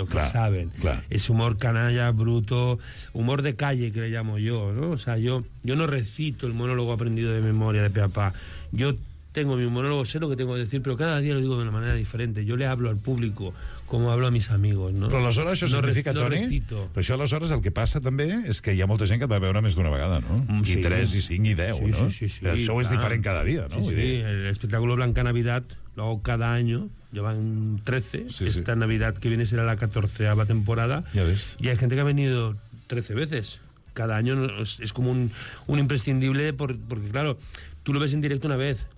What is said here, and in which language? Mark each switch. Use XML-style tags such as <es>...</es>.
<es>claro, saben. Claro. Es humor canalla, bruto, humor de calle, que le llamo yo, ¿no? O sea, yo no recito el monólogo aprendido de memoria de peapa. Yo tengo mi monólogo, sé lo que tengo que decir, pero cada día lo digo de una manera diferente. Yo le hablo al público como hablo a mis amigos, ¿no?</es> <ca>Pero aleshores això significa, no, Toni, recito. Però això aleshores el que passa també és que hi ha molta gent que et va veure més d'una vegada, no? Sí. I 3, i 5, i 10, sí, no? Sí, sí, sí. El show és diferent cada dia, no?</ca> <es>Sí, el espectáculo Blanca Navidad lo hago cada año. Llevan 13, sí, esta sí. Navidad que viene será la 14ª temporada. Ya ves. Y hay gente que ha venido 13 veces. Cada año es como un imprescindible, porque claro, tú lo ves en directo una vez.</es>